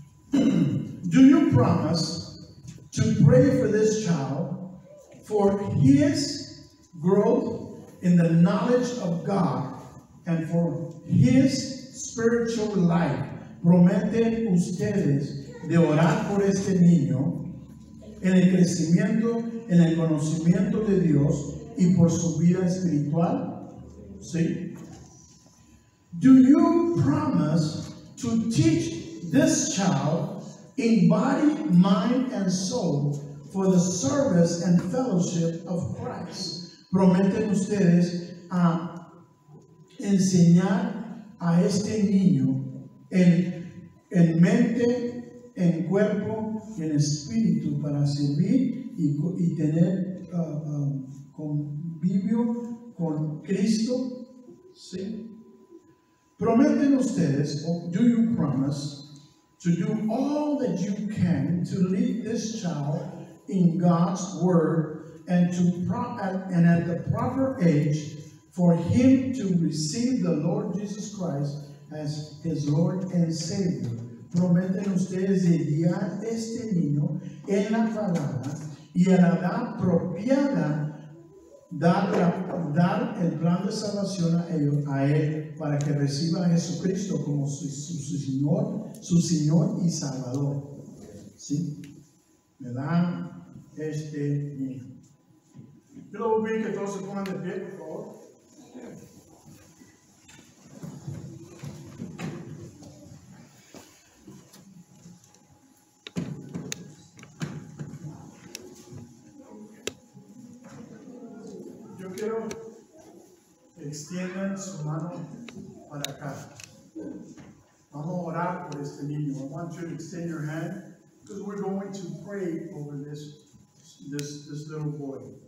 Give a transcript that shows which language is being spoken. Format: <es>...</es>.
<en>Do you promise to pray for this child for his growth in the knowledge of God and for his spiritual life?</en> <es>¿Prometen ustedes de orar por este niño en el crecimiento, en el conocimiento de Dios y por su vida espiritual? ¿Sí?</es> <en>Do you promise to teach this child in body, mind, and soul for the service and fellowship of Christ?</en> <es>¿Prometen ustedes a enseñar a este niño en mente, en cuerpo, en espíritu para servir y tener convivio con Cristo? ¿Sí? ¿Prometen ustedes,</es> <en>or do you promise, to do all that you can to lead this child in God's word and to and at the proper age for him to receive the Lord Jesus Christ as his Lord and Savior?</en> <es>¿Prometen ustedes de guiar este niño en la palabra y a la edad apropiada dar el plan de salvación a él para que reciba a Jesucristo como su Señor y Salvador? ¿Sí? Me da este niño. Yo lo voy a pedir que todos se pongan de pie, por favor. Yo quiero que extiendan su mano para acá. Vamos a orar por este niño.</es> <en>I want you to extend your hand because we're going to pray over this little boy.</en>